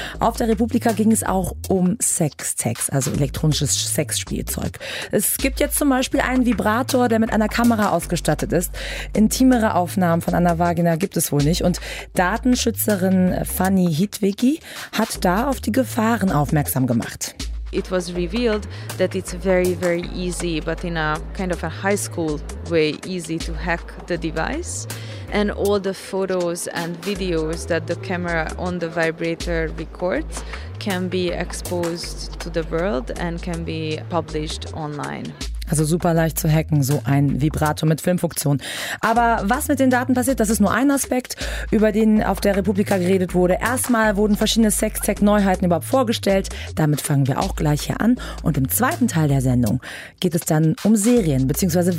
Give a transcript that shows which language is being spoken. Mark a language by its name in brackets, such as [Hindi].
[German] Auf der Republika ging es auch um Sextext, also elektronisches Sexspielzeug. Es gibt jetzt zum Beispiel einen Vibrator, der mit einer Kamera ausgestattet ist. Intimere Aufnahmen von einer Vagina gibt es wohl nicht. Und Datenschützerin Fanny Hitwicki hat da auf die Gefahren aufmerksam gemacht. [English] It was revealed that it's very, very easy, but in a kind of a high school way, easy to hack the device. And all the photos and videos that the camera on the vibrator records can be exposed to the world and can be published online. [German] Also super leicht zu hacken, so ein Vibrator mit Filmfunktion. Aber was mit den Daten passiert, das ist nur ein Aspekt, über den auf der Republika geredet wurde. Erstmal wurden verschiedene Sextech-Neuheiten überhaupt vorgestellt. Damit fangen wir auch gleich hier an. Und im zweiten Teil der Sendung geht es dann um Serien bzw.